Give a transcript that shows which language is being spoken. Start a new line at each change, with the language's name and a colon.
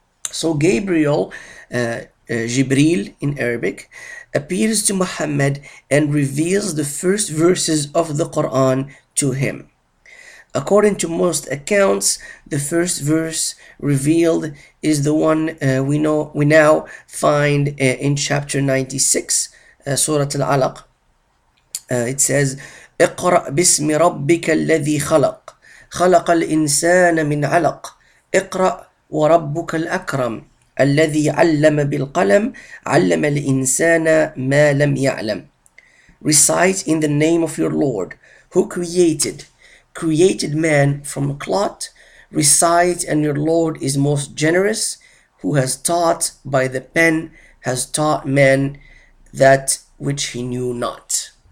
English: So Gabriel, Jibril in Arabic, appears to Muhammad and reveals the first verses of the Quran to him. According to most accounts, the first verse revealed is the one we now find in chapter 96, Surah Al-Alaq. It says,
Arabic: اقرأ باسم ربك الذي خلق خلق الإنسان من علق اقرأ وربك الأكرم الذي علم بالقلم علم الإنسان ما لم يعلم.
English: Recite in the name of your Lord, who created man from a clot. Recite, and your Lord is most generous, who has taught by the pen, has taught man that which he knew not.